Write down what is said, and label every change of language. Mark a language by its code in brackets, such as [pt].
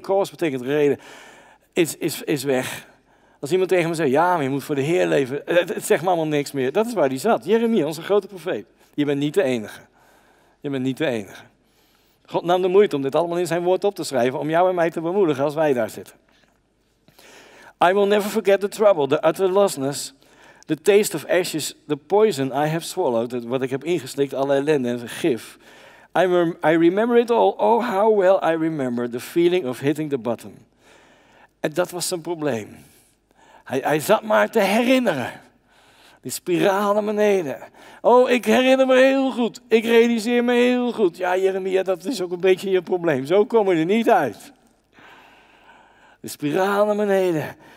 [nl] Cause betekent reden. Is weg. Als iemand tegen me zegt, ja, maar je moet voor de Heer leven. Het zegt me allemaal niks meer. Dat is waar hij zat. Jeremia, onze grote profeet. Je bent niet de enige. Je bent niet de enige. God nam de moeite om dit allemaal in zijn woord op te schrijven. Om jou en mij te bemoedigen als wij daar zitten. [en] I will never forget the trouble, the utter lostness. The taste of ashes, the poison I have swallowed. [nl] Wat ik heb ingeslikt, alle ellende en gif. [en] I remember it all. Oh, how well I remember the feeling of hitting the bottom. [nl] En dat was zijn probleem. Hij zat maar te herinneren. Die spiraal naar beneden. Oh, ik herinner me heel goed. Ik realiseer me heel goed. Ja, Jeremia, dat is ook een beetje je probleem. Zo kom je er niet uit. De spiraal naar beneden.